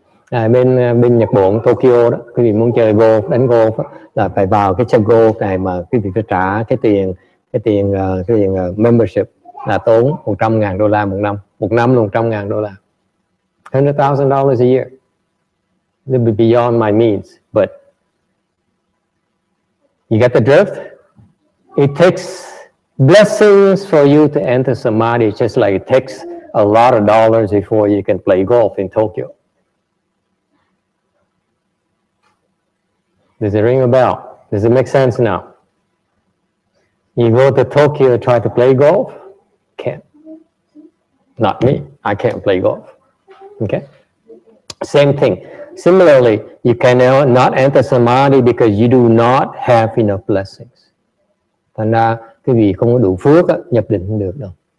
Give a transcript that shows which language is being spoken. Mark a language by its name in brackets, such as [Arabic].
[Vietnamese] Bên Nhật Bản, Tokyo đó, quý vị muốn chơi golf, đánh golf là phải vào cái trang golf này mà quý vị phải trả cái tiền membership là tốn $100,000 một năm là $100,000. [English] $100,000 a year. A little bit beyond my means, but you get the drift? It takes blessings for you to enter samadhi, just like it takes a lot of dollars before you can play golf in Tokyo. Does it ring a bell? Does it make sense now? You go to Tokyo to try to play golf? Can't. Not me. I can't play golf. Okay, same thing. Similarly, you cannot not enter samadhi because you do not have enough blessings. [Vietnamese] Thành ra, quý vị không có đủ phước nhập định không được đâu.